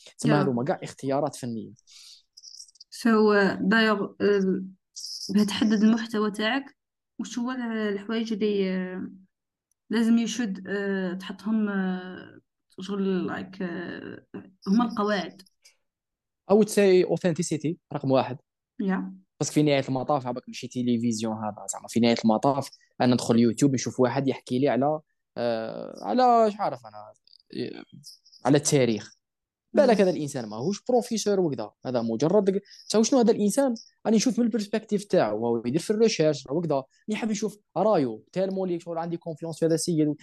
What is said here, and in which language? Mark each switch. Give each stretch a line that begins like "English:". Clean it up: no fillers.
Arabic: ثم هذوما كاع اختيارات فنيه. سو دايوغ بتحدد المحتوى تاعك وش هو الحوايج اللي لازم يشد تحطهم شغل لايك هما القواعد
English: I would say authenticity
Arabic: رقم واحد، يا بس في نهاية المطاف عبك ماشي تلفزيون، هذا زعما في نهاية المطاف أنا ندخل يوتيوب نشوف واحد يحكي لي على على مش عارف أنا على التاريخ، بالك هذا الإنسان ماهوش بروفيسور وكذا، هذا مجرد شنو هذا الإنسان، راني نشوف من البرسبكتيف تاعه وهو يدير في الريشيرش وكذا، راني حاب نشوف رايه تالمو اللي شغل عندي كونفيونس في هذا السيد.